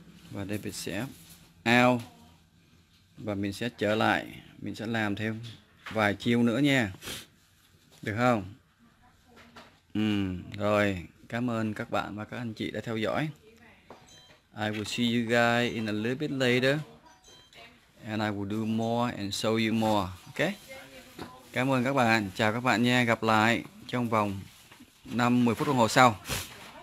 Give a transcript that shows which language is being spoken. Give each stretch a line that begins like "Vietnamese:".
Vietnamese: Và David sẽ out. Và mình sẽ trở lại. Mình sẽ làm thêm vài chiêu nữa nha. Được không? Rồi. Cảm ơn các bạn và các anh chị đã theo dõi.
English: I will see you guys in a little bit later, and I will do more and show you more. Okay?
Vietnamese: Cảm ơn các bạn. Chào các bạn nha. Gặp lại trong vòng 5-10 phút đồng hồ sau.